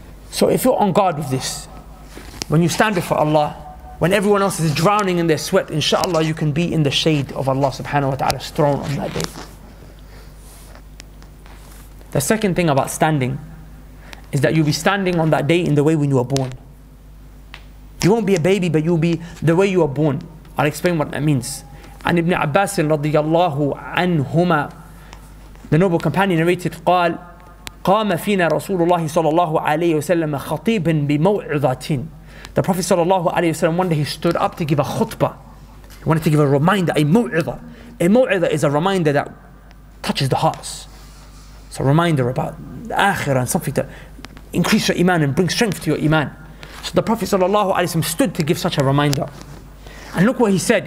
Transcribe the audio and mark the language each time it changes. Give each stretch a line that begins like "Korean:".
English: So if you're on guard with this, when you stand before Allah, when everyone else is drowning in their sweat, inshallah you can be in the shade of Allah subhanahu wa ta'ala's throne on that day. The second thing about standing is that you'll be standing on that day in the way when you were born. You won't be a baby, but you'll be the way you were born. I'll explain what that means. And Ibn Abbas radiyallahu anhuma, the noble companion, narrated,
Arabic: قال قام فينا رسول الله صلى الله عليه وسلم خطيبا بموعظتين.
English: The Prophet sallallahu alayhi wa sallam, one day he stood up to give a khutbah. He wanted to give a reminder, a mu'idah. A mu'idah is a reminder that touches the hearts. It's a reminder about the akhirah and something to increase your iman and bring strength to your iman. So the Prophet sallallahu alayhi wa sallam stood to give such a reminder. And look what he said.